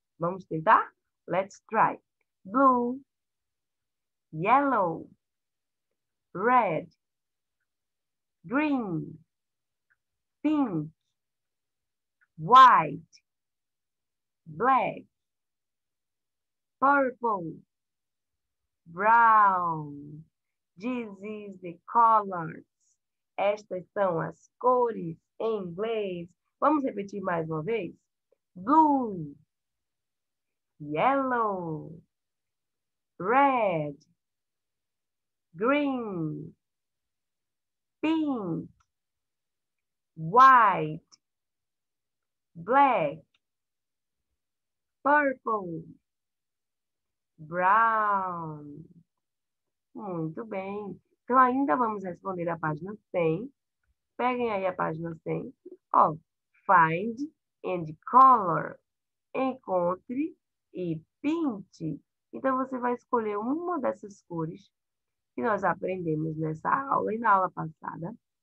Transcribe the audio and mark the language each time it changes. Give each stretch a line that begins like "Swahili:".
Portuguese: Vamos tentar?
English: Let's try. Blue. Yellow. Red. Green. Pink. White. Black. Purple. Brown. This is the colors.
Portuguese: Estas são as cores em inglês. Vamos repetir mais uma vez?
English: Blue, yellow, red, green, pink, white, black, purple, brown.
Portuguese: Muito bem. Então, ainda vamos responder a página 100. Peguem aí a página 100. Ó.
English: Find and color.
Portuguese: Encontre e pinte. Então, você vai escolher uma dessas cores que nós aprendemos nessa aula e na aula passada.